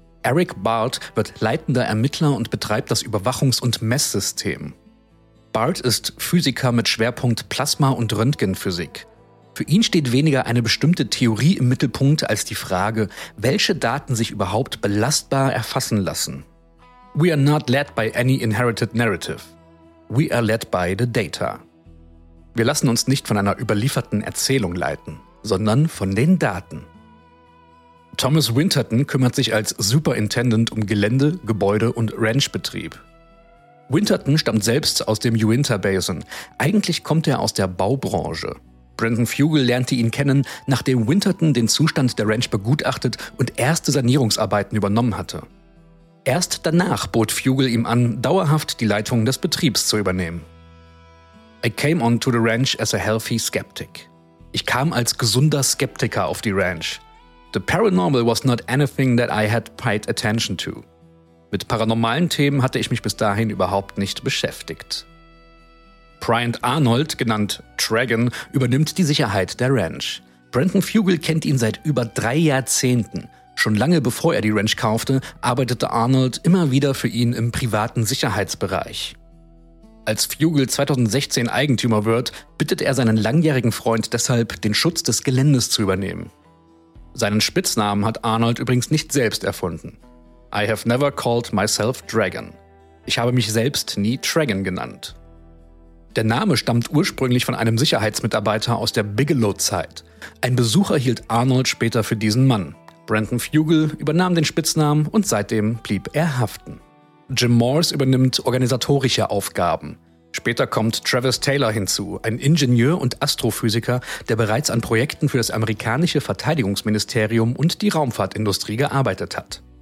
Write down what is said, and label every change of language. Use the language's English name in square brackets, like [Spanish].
[German] Eric Bart wird leitender Ermittler und betreibt das Überwachungs- und Messsystem. Bart ist Physiker mit Schwerpunkt Plasma- und Röntgenphysik. Für ihn steht weniger eine bestimmte Theorie im Mittelpunkt als die Frage, welche Daten sich überhaupt belastbar erfassen lassen. [English] We are not led by any inherited narrative. We are led by the data. [German] Wir lassen uns nicht von einer überlieferten Erzählung leiten, sondern von den Daten. Thomas Winterton kümmert sich als Superintendent um Gelände, Gebäude und Ranchbetrieb. Winterton stammt selbst aus dem Uinta Basin. Eigentlich kommt er aus der Baubranche. Brandon Fugel lernte ihn kennen, nachdem Winterton den Zustand der Ranch begutachtet und erste Sanierungsarbeiten übernommen hatte. Erst danach bot Fugel ihm an, dauerhaft die Leitung des Betriebs zu übernehmen. [English] I came onto the ranch as a healthy skeptic. [German] Ich kam als gesunder Skeptiker auf die Ranch. [English] The paranormal was not anything that I had paid attention to. [German] Mit paranormalen Themen hatte ich mich bis dahin überhaupt nicht beschäftigt. Bryant Arnold, genannt Dragon, übernimmt die Sicherheit der Ranch. Brandon Fugel kennt ihn seit über 3 Jahrzehnten. Schon lange bevor er die Ranch kaufte, arbeitete Arnold immer wieder für ihn im privaten Sicherheitsbereich. Als Fugel 2016 Eigentümer wird, bittet er seinen langjährigen Freund deshalb, den Schutz des Geländes zu übernehmen. Seinen Spitznamen hat Arnold übrigens nicht selbst erfunden. [English] I have never called myself Dragon. [German] Ich habe mich selbst nie Dragon genannt. Der Name stammt ursprünglich von einem Sicherheitsmitarbeiter aus der Bigelow-Zeit. Ein Besucher hielt Arnold später für diesen Mann. Brandon Fugel übernahm den Spitznamen und seitdem blieb er haften. Jim Morse übernimmt organisatorische Aufgaben. Später kommt Travis Taylor hinzu, ein Ingenieur und Astrophysiker, der bereits an Projekten für das amerikanische Verteidigungsministerium und die Raumfahrtindustrie gearbeitet hat.